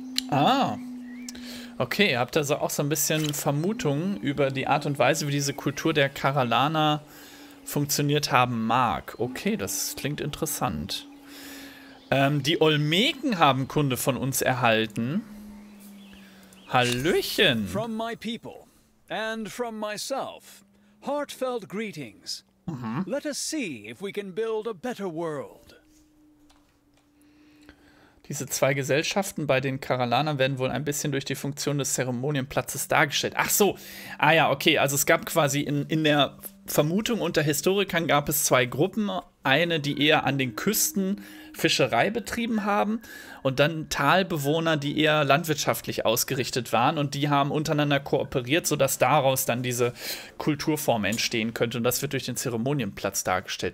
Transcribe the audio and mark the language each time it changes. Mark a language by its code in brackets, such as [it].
[de] Ah, okay, ihr habt also auch so ein bisschen Vermutungen über die Art und Weise, wie diese Kultur der Karalana funktioniert haben mag. Okay, das klingt interessant. Die Olmeken haben Kunde von uns erhalten. Hallöchen. [en] From my people and from myself, heartfelt greetings. Let us see if we can build a better world. [de] Diese zwei Gesellschaften bei den Karalanern werden wohl ein bisschen durch die Funktion des Zeremonienplatzes dargestellt. Ach so, ah ja, okay, also es gab quasi in der Vermutung unter Historikern gab es zwei Gruppen. Eine, die eher an den Küsten Fischerei betrieben haben und dann Talbewohner, die eher landwirtschaftlich ausgerichtet waren und die haben untereinander kooperiert, sodass daraus dann diese Kulturform entstehen könnte und das wird durch den Zeremonienplatz dargestellt.